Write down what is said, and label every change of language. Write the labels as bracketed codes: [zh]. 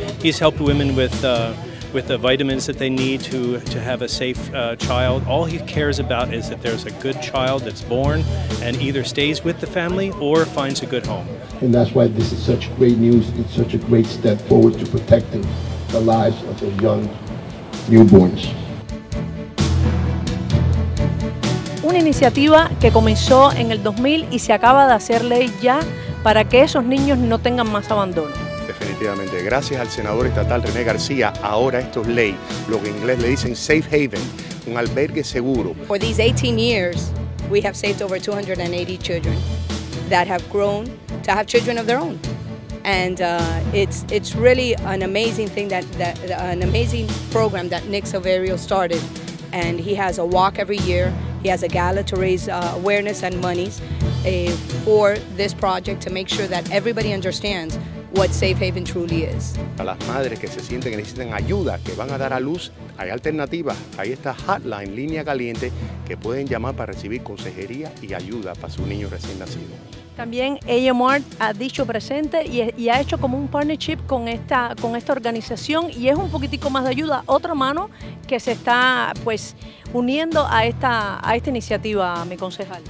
[en] He's helped women with the vitamins that they need to have a safe child. All he cares about is that there's a good child that's born and either stays with the family or finds a good home. And that's why this is such great news. It's such a great step forward to protecting the lives of the young newborns. [es] Una iniciativa que comenzó en el 2000 y se acaba de hacer ley ya para que esos niños no tengan más abandono. Definitivamente. Gracias al senador estatal René García, ahora esto es ley, lo que en inglés le dicen [en] safe haven, [es] un albergue seguro. [en] For these 18 years, we have saved over 280 children that have grown to have children of their own. And it's really an amazing thing, an amazing program that Nick Silverio started. And he has a walk every year, he has a gala to raise awareness and monies for this project to make sure that everybody understands what Safe Haven truly is. [es] A las madres que se sienten que necesitan ayuda, que van a dar a luz, hay alternativas. Hay esta hotline, línea caliente, que pueden llamar para recibir consejería y ayuda para su niño recién nacido. También AMR ha dicho presente y ha hecho como un partnership con esta organización, y es un poquitico más de ayuda, otra mano que se está pues uniendo a esta iniciativa, mi concejal.